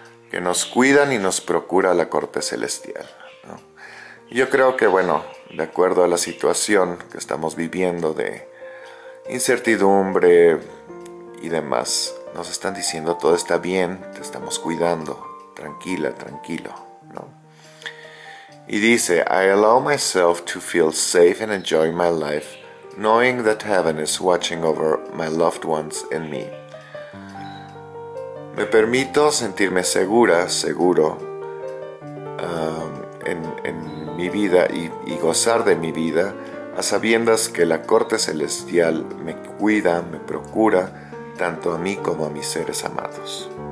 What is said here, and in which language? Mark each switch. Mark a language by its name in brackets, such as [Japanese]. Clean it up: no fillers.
[Spanish] Que nos cuidan y nos procura la corte celestial, ¿no? Yo creo que, bueno, de acuerdo a la situación que estamos viviendo de incertidumbre y demás, nos están diciendo todo está bien, te estamos cuidando, tranquila, tranquilo, ¿no? Y dice: [English] I allow myself to feel safe and enjoy my life, knowing that heaven is watching over my loved ones and me. [Spanish] Me permito sentirme segura, seguro, en mi vida y gozar de mi vida, a sabiendas que la corte celestial me cuida, me procura, tanto a mí como a mis seres amados.